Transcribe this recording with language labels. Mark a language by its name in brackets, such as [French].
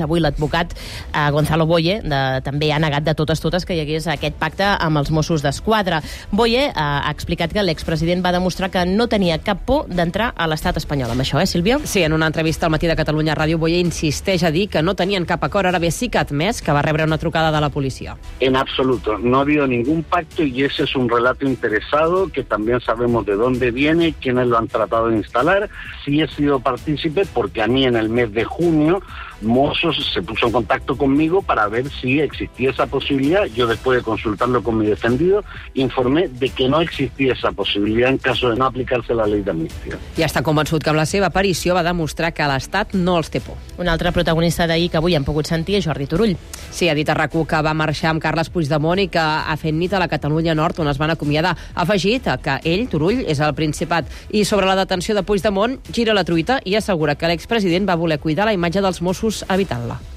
[Catalan] Avui l'advocat Gonzalo Boye també ha negat de totes que hi hagués aquest pacte amb els Mossos d'Esquadra. Boye ha explicat que l'expresident va demostrar que no tenia cap por d'entrar a l'estat espanyol. Amb això, Sílvia? Sí, en una entrevista al matí de Catalunya Ràdio, Boye insisteix a dir que no tenien cap acord. Ara bé, sí que ha admès que va rebre una trucada de la policia. [Spanish] En absoluto. No ha habido ningún pacto y ese es un relato interesado que también sabemos de dónde viene, quiénes lo han tratado de instalar. Sí he sido partícipe porque a mí en el mes de junio Mossos se puso en contacto conmigo para ver si existía esa posibilidad. Yo, después de consultarlo con mi defendido, informé de que no existía esa posibilidad en caso de no aplicarse la ley de amnistía. [Catalan] I està convençut que amb la seva aparició va demostrar que l'Estat no els té por. Un altre protagonista d'ahir que avui hem pogut sentir és Jordi Turull. Sí, ha dit a RAC1 que va marxar amb Carles Puigdemont i que ha fet nit a la Catalunya Nord, on es van acomiadar. Ha afegit que ell, Turull, és el Principat. I sobre la detenció de Puigdemont, gira la truita i assegura que l'expresident va voler cuidar la imatge dels Mossos evitant-la.